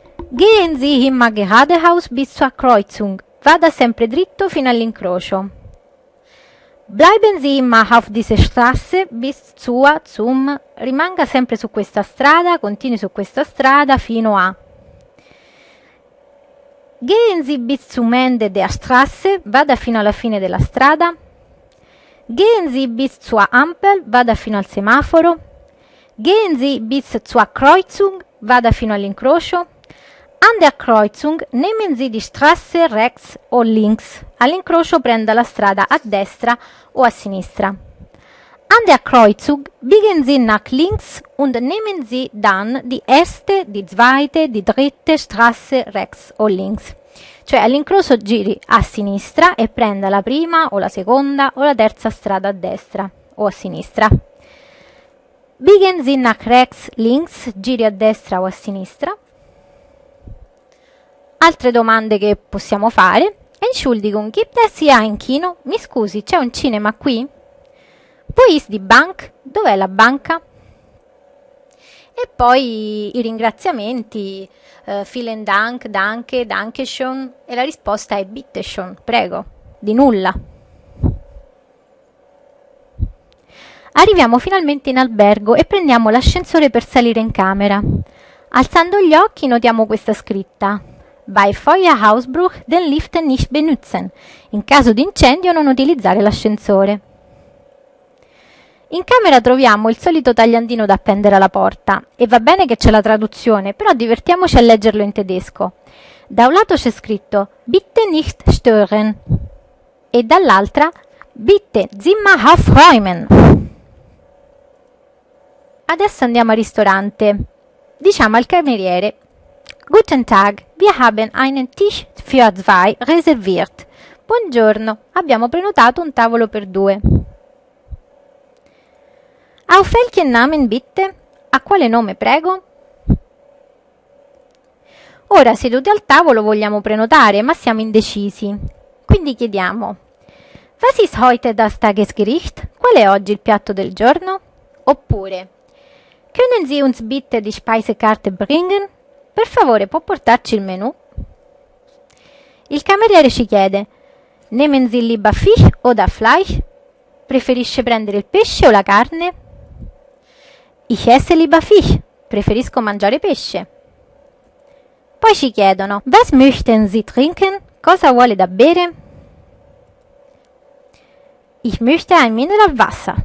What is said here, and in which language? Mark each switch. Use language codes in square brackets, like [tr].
[de] Gehen Sie immer geradeaus bis zur Kreuzung. [it] Vada sempre dritto fino all'incrocio. [de] Bleiben Sie immer auf dieser Straße bis zur zum. [it] Rimanga sempre su questa strada, continui su questa strada fino a. [de] Gehen Sie bis zum Ende der Straße, [it] vada fino alla fine della strada. [de] Gehen Sie bis zur Ampel, [it] vada fino al semaforo. [de] Gehen Sie bis zur Kreuzung, [it] vada fino all'incrocio. [de] An der Kreuzung nehmen Sie die Straße rechts o links. [it] All'incrocio prenda la strada a destra o a sinistra. [de] An der Kreuzung biegen Sie nach links und nehmen Sie dann die erste, die zweite, die dritte Straße rechts o links. [it] Cioè all'incrocio giri a sinistra e prenda la prima o la seconda o la terza strada a destra o a sinistra. [de] Biegen Sie nach rechts links, [it] giri a destra o a sinistra. Altre domande che possiamo fare. [de] Entschuldigung, gibt es hier ein Kino? [it] Mi scusi, c'è un cinema qui? [de] Wo ist die Bank? [it] Dov'è la banca? E poi i ringraziamenti. [de] Vielen Dank, danke, danke schön. [it] E la risposta è [de] bitte schön, [it] prego. Di nulla. Arriviamo finalmente in albergo e prendiamo l'ascensore per salire in camera. Alzando gli occhi notiamo questa scritta: [de] Bei Feuerausbruch den Lift nicht benutzen. [it] In caso di incendio non utilizzare l'ascensore. In camera troviamo il solito tagliandino da appendere alla porta. E va bene che c'è la traduzione, però divertiamoci a leggerlo in tedesco. Da un lato c'è scritto [de] «Bitte nicht stören» [it] e dall'altra [de] «Bitte zimmer aufräumen». [it] Adesso andiamo al ristorante. Diciamo al cameriere [de] «Guten Tag, wir haben einen Tisch für zwei reserviert». [it] «Buongiorno, abbiamo prenotato un tavolo per due». [de] «Auf welchen Namen bitte?» [it] «A quale nome, prego?» Ora, seduti al tavolo, vogliamo prenotare, ma siamo indecisi. Quindi chiediamo [de] «Was ist heute das Tagesgericht?» [it] «Qual è oggi il piatto del giorno?» Oppure [de] «Können Sie uns bitte die Speisekarte bringen?» [it] «Per favore, può portarci il menù?» Il cameriere ci chiede [de] «Nehmen Sie lieber Fisch oder Fleisch?» [it] «Preferisce prendere il pesce o la carne?» [de] «Ich esse lieber Fisch!» [it] «Preferisco mangiare pesce!» Poi ci chiedono [de] «Was möchten Sie trinken?» [it] «Cosa vuole da bere?» [de] «Ich möchte ein Mineralwasser!»